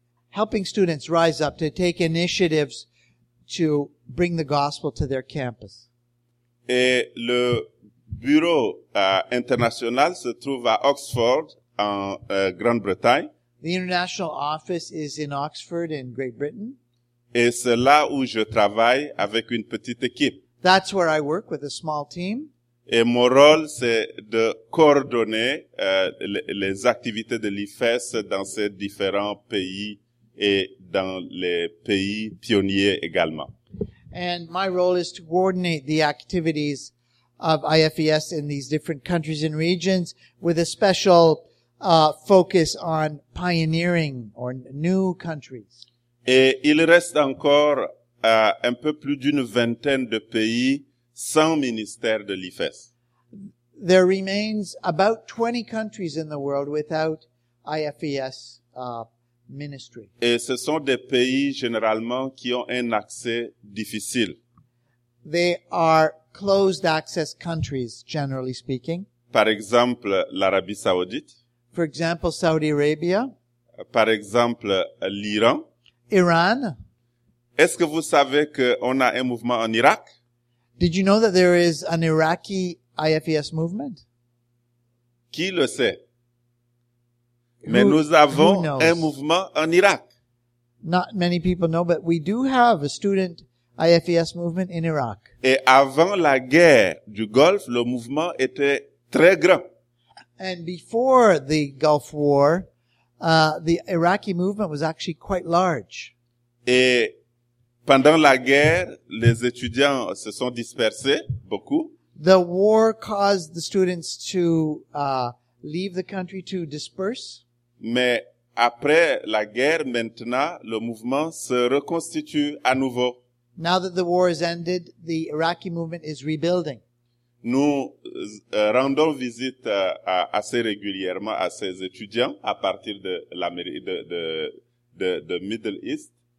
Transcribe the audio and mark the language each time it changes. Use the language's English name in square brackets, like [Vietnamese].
[English] Helping students rise up to take initiatives to bring the gospel to their campus. [French] Et le bureau international se trouve à Oxford, en Grande-Bretagne. [English] The international office is in Oxford, in Great Britain. [French] Et c'est là où je travaille avec une petite équipe. [English] That's where I work with a small team. [French] Et mon rôle, c'est de coordonner les activités de l'IFES dans ces différents pays. Et dans les pays pionniers également. [English] And my role is to coordinate the activities of IFES in these different countries and regions with a special focus on pioneering or new countries. [French] Et il reste encore un peu plus d'une vingtaine de pays sans ministère de l'IFES. [English] There remains about 20 countries in the world without IFES ministry. [French] Et ce sont des pays généralement qui ont un accès difficile. [English] They are closed access countries, generally speaking. [French] Par exemple, l'Arabie Saoudite. [English] For example, Saudi Arabia. [French] Par exemple, l'Iran. [English] Iran. [French] Est-ce que vous savez qu'on a un mouvement en Irak? [English] Did you know that there is an Iraqi IFES movement? [French] Qui le sait? Mais nous avons un mouvement en Irak. [English] Not many people know, but we do have a student IFES movement in Iraq. [French] Et avant la guerre du Golfe, le mouvement était très grand. [English] And before the Gulf War, the Iraqi movement was actually quite large. [French] Et Pendant la guerre, les étudiants se sont dispersés beaucoup. [English] The war caused the students to leave the country, to disperse. [French] Mais après la guerre, maintenant, le mouvement se reconstitue à nouveau. [English] Now that the war is ended, the Iraqi movement is rebuilding. [French] Nous rendons visite assez régulièrement à ces étudiants à partir de l'Amérique de Middle East.